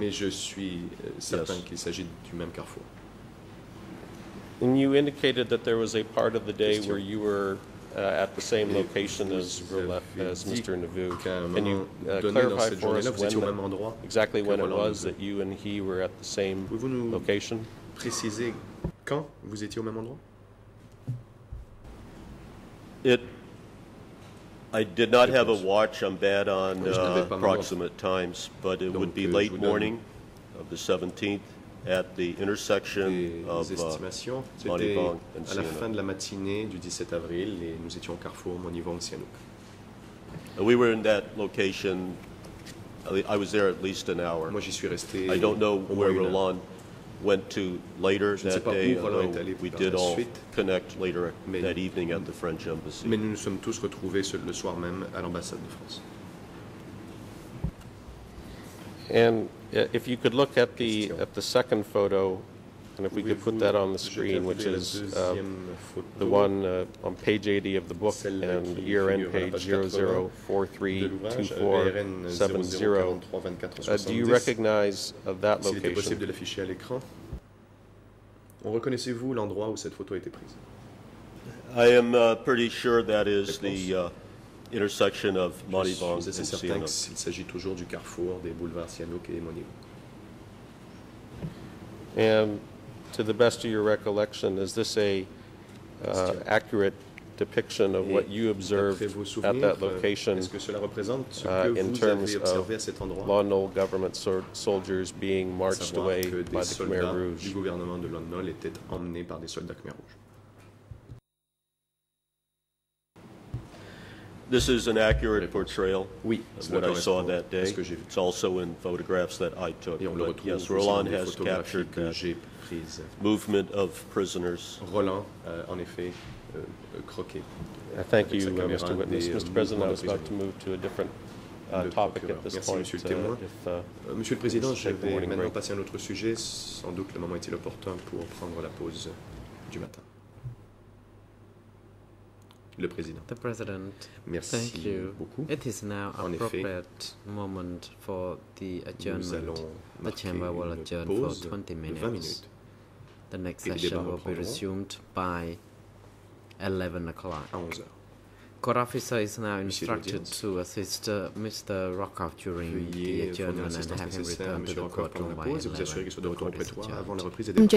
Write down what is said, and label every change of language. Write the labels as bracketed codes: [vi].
[fr] Mais je suis certain qu'il s'agit du même carrefour. [en] And you indicated that there was a part of the day where you were at the same location as Mr. Nouveau. Can you clarify for us when it was that you and he were at the same location? [fr] Préciser quand vous étiez au même endroit? [en] I did not have a watch. I'm bad on approximate times, but it would be late morning of the 17th at the intersection of Monivong and Sihanouk. [fr] À la fin de la matinée du 17 avril, et nous étions au carrefour Monivong Sihanouk. [en] We were in that location. I was there at least an hour. [fr] Moi, j'y suis resté. [en] I don't know where Roland went to later that day, although we did all connect later that evening at the French embassy. [fr] Mais nous nous sommes tous retrouvés le soir même à l'ambassade de France. [en] And if you could look at the second photo, and if we could put that on the screen, which is the one on page 80 of the book and ERN page 00432470, do you recognize that location? [fr] Possible de l'afficher à l'écran. On reconnaissez-vous l'endroit où cette photo a été prise? [en] I am pretty sure that is the intersection of Monivong and Sihanouk. [fr] Certain qu'il s'agit toujours du carrefour des boulevards Sihanouk et Monivong. [en] And to the best of your recollection, is this a accurate depiction of what you observed at that location in terms of Lon Nol government soldiers being marched away by the Khmer Rouge? [fr] Du gouvernement de Lon Nol étaient emmenés par des soldats Khmer Rouge. [en] This is an accurate portrayal of what I saw that day. It's also in photographs that I took. But yes, Roland has captured that movement of prisoners. [fr] Roland, en effet, croqué. [en] Thank you, Mr. Witness. Mr. President, I was about to move to a different topic at this point. [fr] Merci, Monsieur le Témoin. Monsieur le Président, je vais maintenant passer à un autre sujet. Sans doute le moment est-il opportun pour prendre la pause du matin. Le Président. [en] The President, [fr] merci [en] thank you. [fr] Beaucoup. [en] It is now [fr] en [en] appropriate [fr] effet, [en] moment for the adjournment. The chamber will adjourn for 20 minutes. 20 minutes. The next et session will be resumed by 11 o'clock. [fr] À 11 heures. [en] Court officer is now instructed to assist Mr. Rockoff during the adjournment and have him return to the courtroom by 11. [fr] Vous assurez qu'il soit de retour au prétoire avant la reprise des débats.